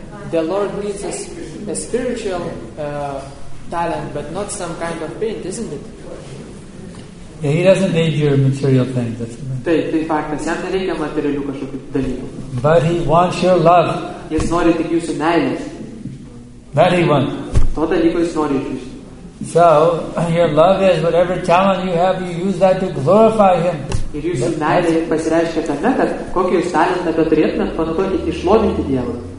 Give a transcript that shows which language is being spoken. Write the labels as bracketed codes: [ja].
[en] The Lord needs a spiritual talent, but not some kind of paint, isn't it? Yeah, He doesn't need your material things. [lt] Tai faktas, jam nereikia materialių kažkokių dalykų. [en] But He wants your love. [lt] Jis nori tik jūsų meilės. [en] That He wants. [lt] To dalyko Jis nori iš jūsų. [en] So, your love is whatever talent you have, you use that to glorify Him. [lt] Ir jūsų meilė pasireiškia tame, kad kokį jūs talentą turėtumėt panaudoti išlovinti Dievą.